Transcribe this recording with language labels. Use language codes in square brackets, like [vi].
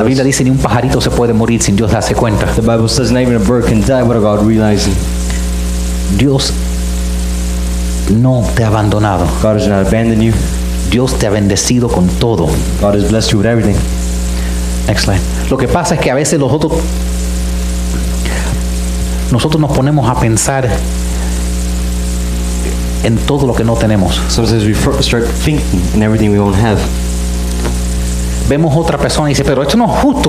[es] La Biblia dice ni un pajarito se puede morir sin Dios darse cuenta. [en] The Bible says not even a bird can die without God realizing. [es] Dios no te ha abandonado. [en] God has not abandoned you. [es] Dios te ha bendecido con todo. [en] God has blessed you with everything. Next slide. [es] Lo que pasa es que a veces nosotros nos ponemos a pensar en todo lo que no tenemos. [en] Sometimes we start thinking in everything we don't have. [es] Vemos otra persona y dice, pero esto no es justo.